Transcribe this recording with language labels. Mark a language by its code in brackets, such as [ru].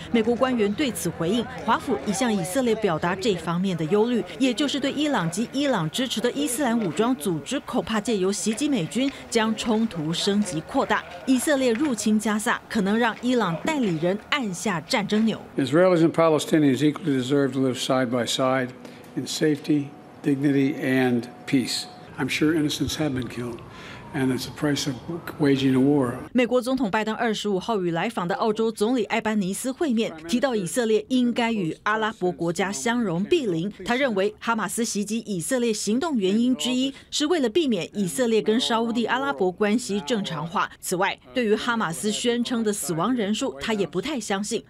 [zh] 美国官员对此回应，华府已向以色列表达这方面的忧虑，也就是对伊朗及伊朗支持的伊斯兰武装组织恐怕借由袭击美军将冲突升级扩大。以色列入侵加萨可能让伊朗代理人按下战争钮。 [en] Israelis and Palestinians equally deserve to live side by side in safety, dignity, and peace. I'm sure innocents have been killed. And it's the price of waging a war. [zh] 美国总统拜登25号与来访的澳洲总理艾班尼斯会面，提到以色列应该与阿拉伯国家相容毗邻。他认为哈马斯袭击以色列行动原因之一是为了避免以色列跟沙烏地阿拉伯关系正常化。此外，对于哈马斯宣称的死亡人数，他也不太相信。